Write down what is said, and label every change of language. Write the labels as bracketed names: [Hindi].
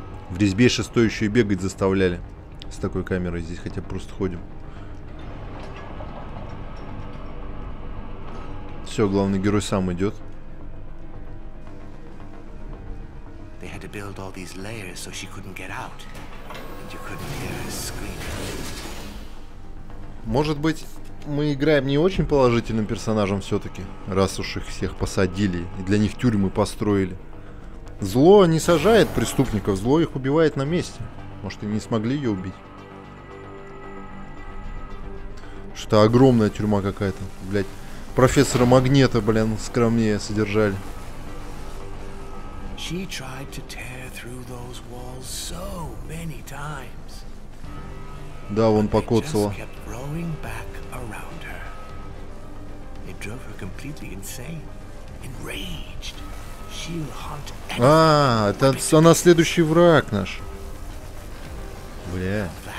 [Russian] В резьбе шестой еще и бегать заставляли. С такой камерой здесь хотя бы просто ходим. Все, главный герой сам идет. [English] They had to build all these layers so she couldn't get out. And you couldn't hear her screaming. [Russian] Может быть, мы играем не очень положительным персонажем все-таки, раз уж их всех посадили и для них тюрьмы построили. Зло не сажает преступников, зло их убивает на месте. Может, и не смогли ее убить. Что-то огромная тюрьма какая-то, блядь. Профессора Магнета, блин, скромнее содержали. [English] She tried to tear through those walls so many times. [Russian] Да, вон покоцала. [English] But they just kept growing back around her. It drove her completely insane, enraged. She'll haunt everything. [Russian] А, это она следующий враг наш. Бля.